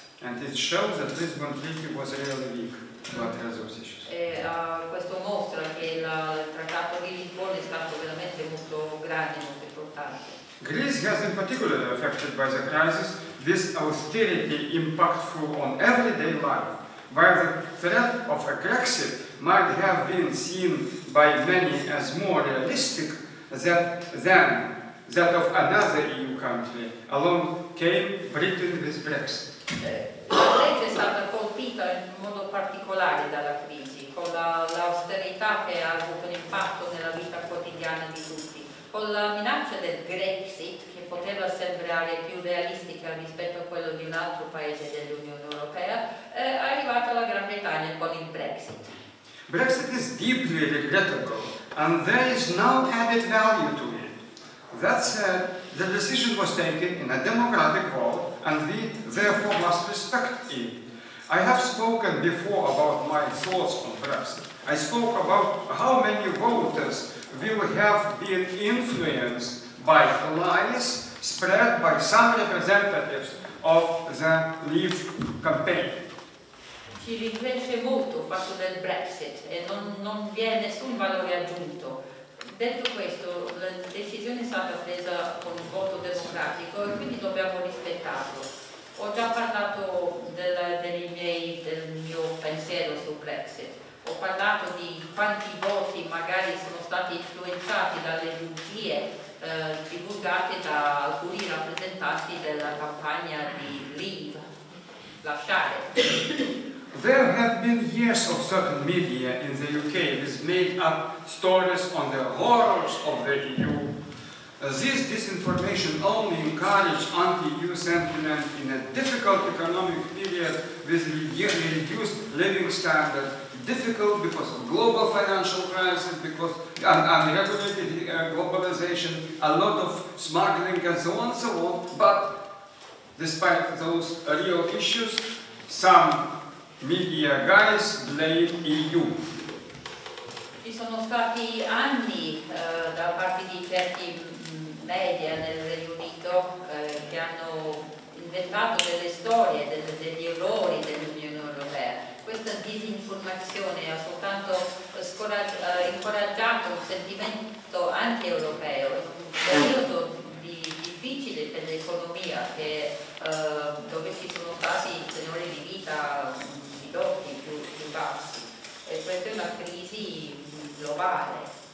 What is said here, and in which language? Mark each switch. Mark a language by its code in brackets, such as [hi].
[en] And it shows that this conflict was really weak, but has those issues. [it] Questo mostra che il Trattato di Lisbona è stato veramente molto grande, molto importante. [en] Greece has been particularly affected by the crisis. This austerity impactful on everyday life, while the threat of a Brexit might have been seen by many as more realistic than that of another EU country, along came Britain with Brexit. [it] La Grecia è stata colpita in modo particolare dalla crisi, con l'austerità che ha avuto un impatto nella vita quotidiana di tutti, con la minaccia del Brexit, poteva sembrare più realistica rispetto a quello di un altro paese dell'Unione Europea, è arrivata la Gran Bretagna con il Brexit. [en] Brexit is deeply regrettable, and there is no added value to it. That said, the decision was taken in a democratic vote, and we therefore must respect it. I have spoken before about my thoughts on Brexit. I spoke about how many voters will have been influenced by lies spread by some representatives of the Leave campaign. [it] Ci rincresce molto il fatto del Brexit e non vi è nessun valore aggiunto. Detto questo, la decisione è stata presa con un voto democratico e quindi dobbiamo rispettarlo. Ho già parlato del mio pensiero sul Brexit. Ho parlato di quanti voti magari sono stati influenzati dalle bugie divulgate da alcuni rappresentanti della campagna di Leave, lasciare. [en] There have been years of certain media in the UK with made up stories on the horrors of the EU. This disinformation only encouraged anti-EU sentiment in a difficult economic period with reduced living standards, difficult because of global financial crisis, because unregulated globalization, a lot of smuggling and so on and so on. But despite those real issues, some media guys blame EU. [it] Ci sono stati anni da parte di certi media nel Regno Unito che hanno inventato delle storie degli errori dell'Unione Europea. Questa disinformazione ha soltanto incoraggiato un sentimento anti-europeo, un periodo difficile per l'economia che, dove ci sono stati tenori di vita più bassi, e questa è una crisi globale.